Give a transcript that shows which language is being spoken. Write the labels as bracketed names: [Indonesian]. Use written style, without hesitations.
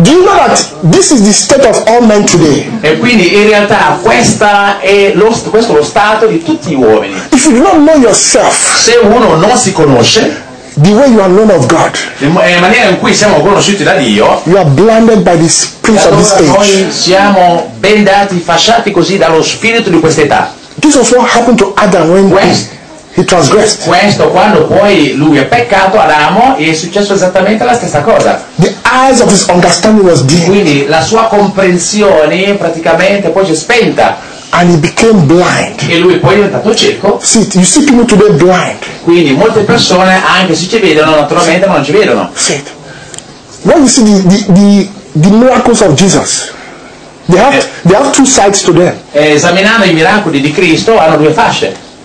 [English] Do you know that this is the state of all men today? [Italian] E quindi in realtà questo è lo stato di tutti gli uomini. [English] If you do not know yourself, [Italian] se uno non si conosce, [English] the way you are known of God, [Italian] in maniera in cui siamo conosciuti da Dio, [English] you are blinded by the prince of this age. [Italian] Noi siamo bendati, fasciati così dallo spirito di questa età. [English] This was what happened to Adam when he transgressed. [Italian] Questo quando poi lui ha peccato, Adamo, e è successo esattamente la stessa cosa. [English] The eyes of his understanding was dim. [Italian] Quindi la sua comprensione praticamente poi si è spenta. [English] And he became blind. [Italian] E lui poi è diventato cieco. [English] See, you see people today blind. [Italian] Quindi molte persone, anche se ci vedono, naturalmente non ci vedono. [English] See, when you see the miracles of Jesus, they have two sides to them. [Italian] Esaminando i miracoli di Cristo, hanno due fasce.